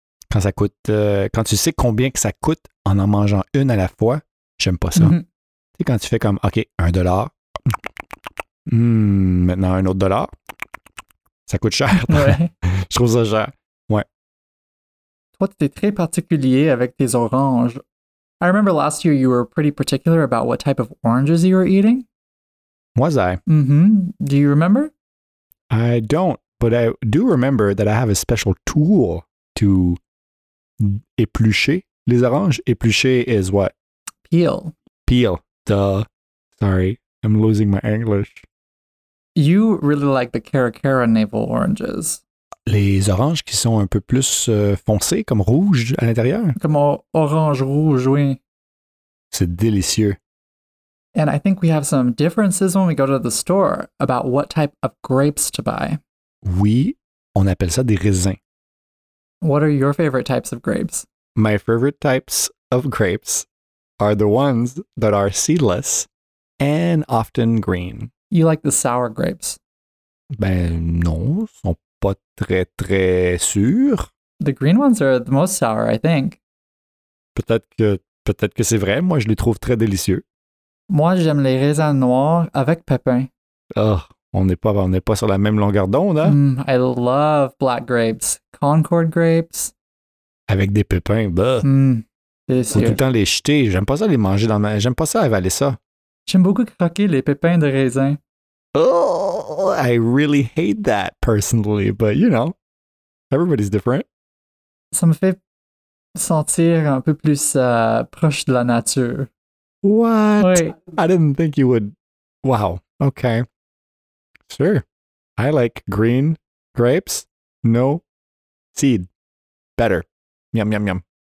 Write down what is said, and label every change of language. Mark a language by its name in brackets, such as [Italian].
[French] Quand ça coûte, quand tu sais combien que ça coûte en en mangeant une à la fois, j'aime pas ça. Mm-hmm. Tu sais, quand tu fais comme, OK, un dollar, maintenant un autre dollar, ça coûte cher. Ouais. Je trouve ça cher. Ouais. Toi, tu es très particulier avec tes oranges. [English] I remember last year you were pretty particular about what type of oranges you were eating. Was I? Mm-hmm. Do you remember? I don't, but I do remember that I have a special tool to [French] éplucher les oranges. [English] Éplucher is what? Peel. Peel. Duh. Sorry, I'm losing my English. You really like the Caracara navel oranges. [French] Les oranges qui sont un peu plus foncées, comme rouges à l'intérieur. Comme orange-rouge, oui. C'est délicieux. [English] And I think we have some differences when we go to the store about what type of grapes to buy. [French] Oui, on appelle ça des raisins. [English] What are your favorite types of grapes? My favorite types of grapes are the ones that are seedless and often green. You like the sour grapes? [French] Ben non, sont pas très très sûrs. [English] The green ones are the most sour, I think. [French] Peut-être que c'est vrai, moi je les trouve très délicieux. Moi, j'aime les raisins noirs avec pépins. Oh, on n'est pas sur la même longueur d'onde, hein? [English] I love black grapes. Concord grapes. [French] Avec des pépins, bah. Délicieux. Faut tout le temps les jeter. J'aime pas ça les manger dans ma... J'aime pas ça avaler ça. J'aime beaucoup croquer les pépins de raisin. [English] Oh, I really hate that personally, but you know, everybody's different. [French] Ça me fait sentir un peu plus proche de la nature. [English] What? [French] Oui. [English] I didn't think you would. Wow. Okay. Sure. I like green grapes. No seed. Better. Yum, yum, yum.